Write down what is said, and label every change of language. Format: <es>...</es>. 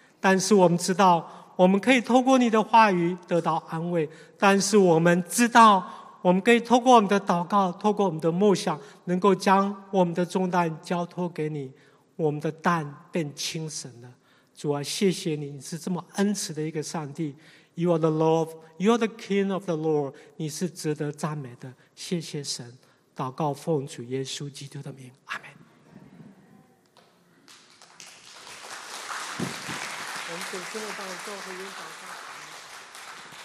<zh>但是我们知道我们可以透过你的话语得到安慰，但是我们知道我们可以透过我们的祷告，透过我们的默想，能够将我们的重担交托给你，我们的担变轻省了。主啊，谢谢你，你是这么恩慈的一个上帝。</zh> <en>You are the Lord, You are the King of the Lord,</en> <zh>你是值得赞美的。谢谢神，祷告奉主耶稣基督的名，阿们。我们请圣灵做回应祷告。</zh>